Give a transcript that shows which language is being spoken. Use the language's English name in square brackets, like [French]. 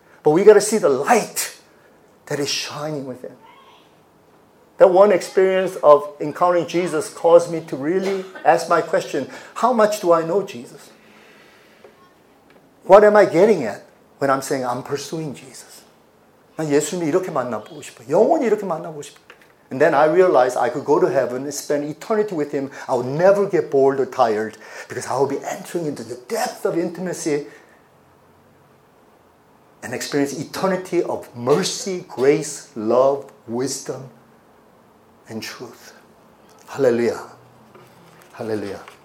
[English] But we got to see the light that is shining within. That one experience of encountering Jesus caused me to really ask my question, how much do I know Jesus? What am I getting at when I'm saying I'm pursuing Jesus? [Korean] 난 예수님 이렇게 만나보고 싶어. 영원히 이렇게 만나보고 싶어. [English] And then I realized I could go to heaven and spend eternity with him. I would never get bored or tired because I would be entering into the depth of intimacy and experience eternity of mercy, grace, love, wisdom, and truth. Hallelujah. Hallelujah.